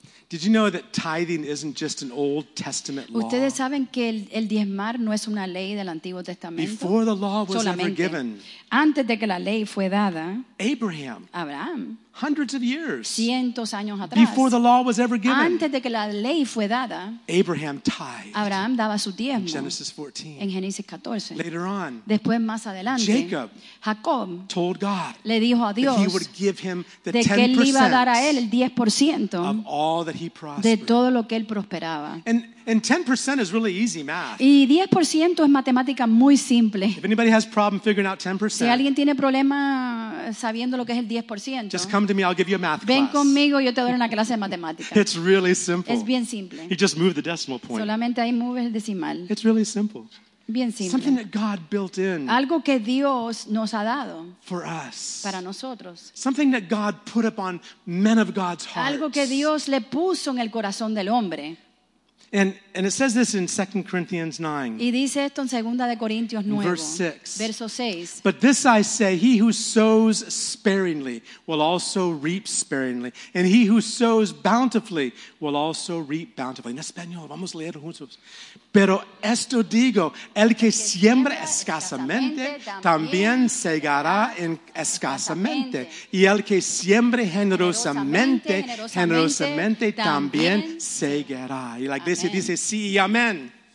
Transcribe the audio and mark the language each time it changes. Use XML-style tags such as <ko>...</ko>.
<en>Did you know that tithing isn't just an Old Testament law?</en> <es>¿Ustedes saben que el diezmar no es una ley del Antiguo Testamento?</es> <en>Before the law was</en> <es>solamente</es> <en>ever given.</en> <es>Antes de que la ley fue dada.</es> <en>Abraham. Hundreds of years.</en> <es>Cientos años atrás.</es> <en>Before the law was ever given.</en> <es>Antes de que la ley fue dada.</es> <en>Abraham tithed.</en> <es>Abraham daba su diezmo.</es> <en>In Genesis 14.</en> <es>En Génesis 14.</es> <en>Later on.</en> <es>Después más adelante.</es> <en>Jacob. Told God.</en> <es>Le dijo a Dios.</es> <en>That he would give him the</en> <es>10%. De que él iba a dar a él el 10%.</es> <en>Of all that he prospered.</en> <es>De todo lo que él prosperaba.</es> <en>And 10% is really easy math.</en> <es>Y 10% es matemática muy simple.</es> <en>If anybody has problem figuring out 10%.</en> <es>Si alguien tiene problema sabiendo lo que es el 10%.</es> <en>Just come to me, I'll give you a math</en> <es>ven</es> <en>class.</en> <es>Conmigo, yo te doy una clase de matemática.</es> <en>It's really simple.</en> <es>Es bien simple.</es> <en>You just move the decimal point.</en> <es>Solamente ahí mueves el decimal.</es> <en>It's really simple.</en> <es>Bien simple.</es> <en>Something that God built in.</en> <es>Algo que Dios nos ha dado.</es> <en>For us.</en> <es>Para nosotros.</es> <en>Something that God put upon men of God's hearts.</en> <es>Algo que Dios le puso en el corazón del hombre.</es> <en>And it says this in 2 Corinthians 9.</en> <es>Y dice esto en Segunda de Corintios 9.</es> <en>Verse 6.</en> <es>Verso 6.</es> <en>But this I say, he who sows sparingly will also reap sparingly, and he who sows bountifully will also reap bountifully.</en> <es>En español, vamos a leer juntos. Pero esto digo, el que siembra escasamente también segará escasamente, y el que siembra generosamente también segará. Y</es> <en>like this, he</en> <es>dice, sí, y amén.</es>